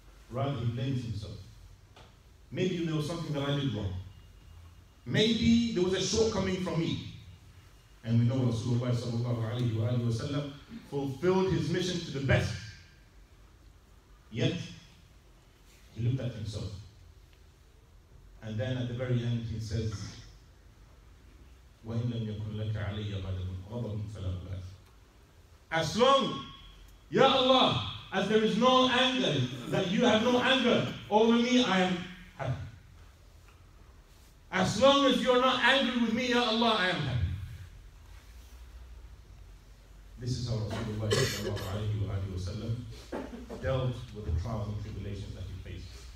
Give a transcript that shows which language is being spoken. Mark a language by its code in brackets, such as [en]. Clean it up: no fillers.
[en] Rather, he blames himself. Maybe there was something that I did wrong. Maybe there was a shortcoming from me. And we know Rasulullah sallallahu alayhi wa sallam fulfilled his mission to the best. Yet, he looked at himself. And then at the very end, he says, [ar] وَإِن لَمْ يَكُنْ لَكَ عَلَيَّ غَدَبٌ غَضَبٌ فَلَا أُبَالِي. [en] As long, Ya Allah, as there is no anger, that you have no anger over me, I am happy. As long as you are not angry with me, Ya Allah, I am happy. This is how Rasulullah sallallahu alayhi wa sallam dealt with the trials and tribulations that he faced.